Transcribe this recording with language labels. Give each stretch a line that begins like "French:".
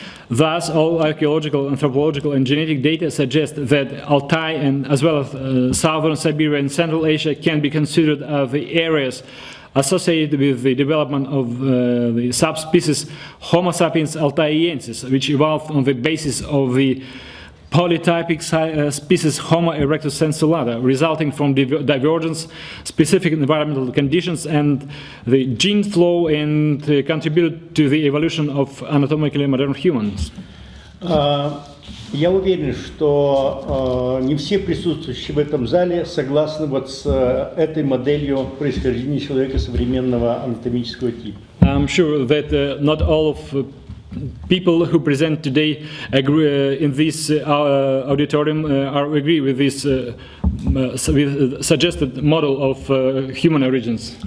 English: Thus, all archaeological, anthropological, and genetic data suggest that Altai, and as well as southern Siberia and Central Asia, can be considered the areas associated with the development of the subspecies Homo sapiens altaiensis, which evolved on the basis of the polytypic species Homo erectus sensulata, resulting from divergence, specific environmental conditions, and the gene flow, and contributed to the evolution of anatomically modern humans.
Russian: Я уверен, что не все присутствующие в этом зале согласны вот с этой моделью происхождения человека современного анатомического типа.
English: I'm sure that not all of people who present today agree in this auditorium are agree with this suggested model of human origins.